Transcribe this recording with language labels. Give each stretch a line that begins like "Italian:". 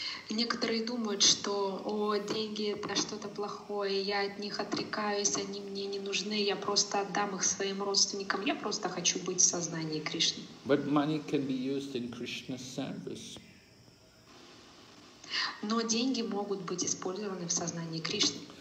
Russian: Некоторые думают, что деньги это что-то плохое, я от них отрекаюсь, они мне не нужны, я просто отдам их своим родственникам. Я просто хочу быть в сознании Кришны.
English: But money can be used in Krishna's service.
Russian: Но деньги могут быть использованы в сознании Кришны.